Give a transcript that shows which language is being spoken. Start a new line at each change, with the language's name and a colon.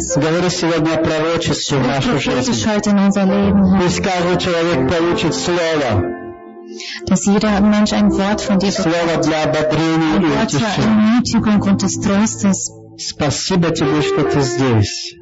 Russian: Говори сегодня о пророчестве в нашу жизнь. Пусть каждый человек получит слово.
German: Dass jeder Mensch ein Wort von dir bekommt. Ein Wort für Ermutigung und des Trostes.
Russian: Спасибо Тебе, что Ты здесь.